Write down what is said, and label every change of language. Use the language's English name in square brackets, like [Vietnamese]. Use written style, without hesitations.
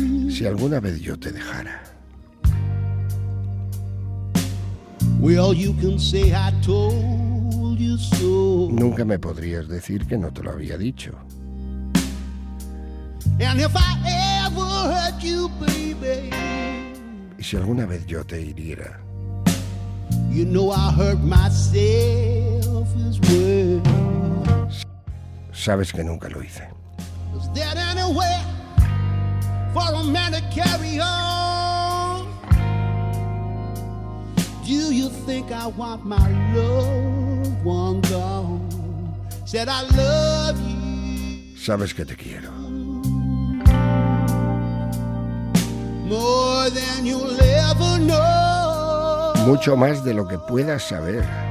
[Spanish] Si alguna vez yo te dejara. [English] Well, you can say I told you so. [Spanish] Nunca me podrías decir que no te lo había dicho. [English] And if I ever hurt you, baby. [Spanish] Y si alguna vez yo te hiriera. [English] You know I hurt myself as well. [Spanish] Sabes que nunca lo hice. [English] Is there anywhere for a man to carry on? Do you think I want my loved one gone? Said I love you. [Spanish] Sabes que te quiero. [English] More than you'll ever know. [Spanish] Mucho más de lo que puedas saber.